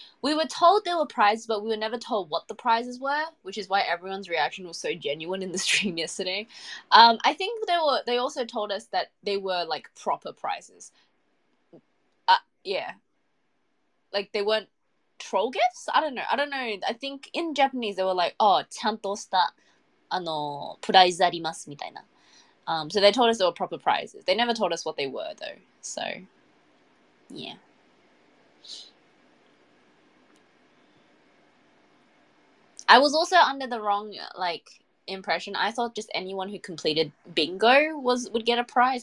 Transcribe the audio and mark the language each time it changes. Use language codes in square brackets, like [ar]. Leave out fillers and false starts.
[en] We were told there were prizes, but we were never told what the prizes were, which is why everyone's reaction was so genuine in the stream yesterday. I think they also told us that they were like proper prizes. Yeah. Like they weren't troll gifts? I don't know. I think in Japanese they were like, oh, [ja] ちゃんとしたプライズあります,みたいな. [en] So they told us they were proper prizes. They never told us what they were though. So yeah. I was also under the wrong, like, impression. I thought just anyone who completed bingo would get a prize.